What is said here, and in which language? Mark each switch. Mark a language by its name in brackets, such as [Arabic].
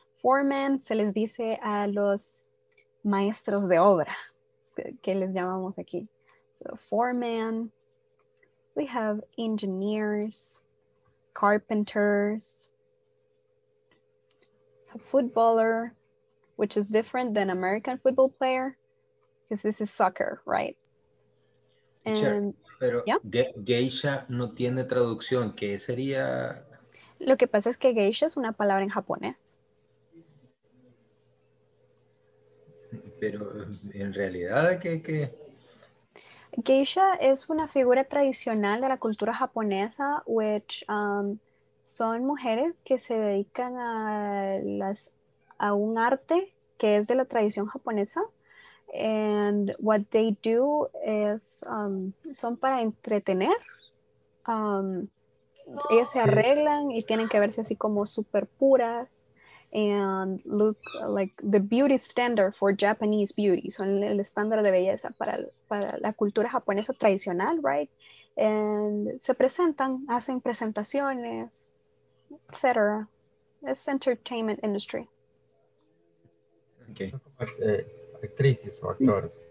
[Spanish] Foremen, se les dice a los maestros de obra, que les llamamos aquí. [English] So, foremen. We have engineers, carpenters, a footballer, which is different than American football player, because this is soccer, right? And, sure, [Spanish] pero [English] yeah? [Spanish] Geisha no tiene traducción, ¿qué sería? Lo que pasa es que geisha es una palabra en japonés. Pero en realidad, ¿qué? Geisha es una figura tradicional de la cultura japonesa, [English] which [Spanish] son mujeres que se dedican a un arte que es de la tradición japonesa. [English] And what they do is, [Spanish] son para entretener. Ellas se arreglan y tienen que verse así como super puras. [English] And look like the beauty standard for Japanese beauty. [Spanish] Son el estándar de belleza para la cultura japonesa tradicional, [English] right? And [Spanish] se presentan, hacen presentaciones, etc. [English] It's entertainment industry. Okay. [Spanish] Actrices o actores.